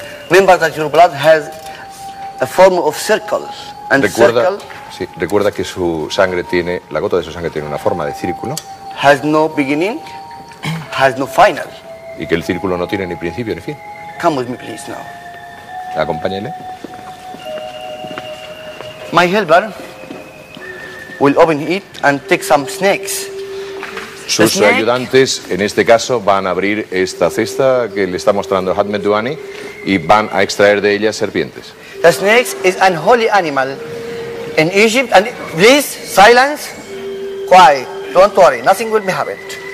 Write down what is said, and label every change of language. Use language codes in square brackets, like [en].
[en] Remember that your blood has a form of circles. And [es] recuerda, [en] circle, [es] sí, recuerda que su sangre tiene, la gota de su sangre tiene una forma de círculo. [en] Has no beginning, has no final. [es] Y que el círculo no tiene ni principio ni fin. [en] Come with me, please, now. [es] Acompáñele. [en] My helper will open it and take some snakes. [es] Sus ayudantes, en este caso, van a abrir esta cesta que le está mostrando Hatmet Duani y van a extraer de ella serpientes. [en] The snake is an holy animal in Egypt, and please silence, quiet, don't worry, nothing will be happened.